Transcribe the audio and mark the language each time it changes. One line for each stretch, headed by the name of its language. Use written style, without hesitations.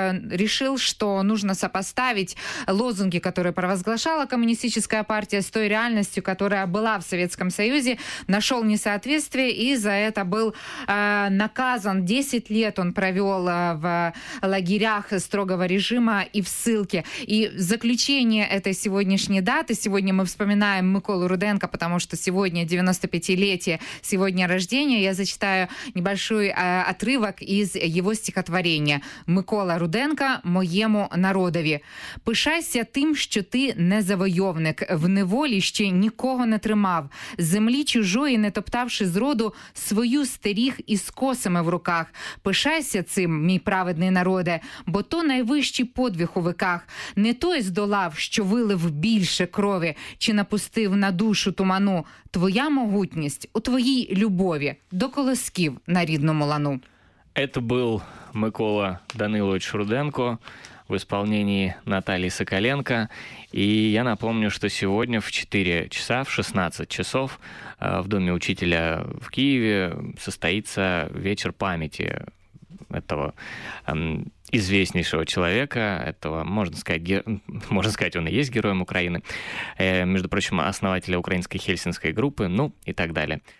Ukrainian: рішив, що нужно сопоставить лозунги, які провозглашала комуністична партія, з тою реальністю, яка була в Совєтському Союзі, знайшов несоответствие і за це був наказан
Russian: 10 лет он провел в лагерях строгого режима и в ссылке. И в заключение этой сегодняшней даты, сегодня мы вспоминаем Миколу Руденко, потому что сегодня 95-летие, сегодня рождение, я зачитаю небольшой отрывок из его стихотворения.
Ukrainian: «Микола Руденко, моему народові. Пишайся тим, що ти не завойовник, в неволі ще нікого не тримав, землі чужої не топтавши зроду, свою стеріг із косами в руках. Пишайся цим, мій праведний народе, бо то найвищий подвиг у веках. Не той здолав, що вилив більше крові, чи напустив на душу туману. Твоя могутність у твоїй любові до колосків на рідному лану». Це був Микола Данилович Руденко
Russian: в исполнении Натальи Соколенко. И я напомню, что сегодня в 4 часа, в 16 часов в Доме учителя в Киеве состоится вечер памяти этого известнейшего человека, этого, можно сказать, он и есть героем Украины, между прочим, основателя украинской хельсинской группы, ну и так далее.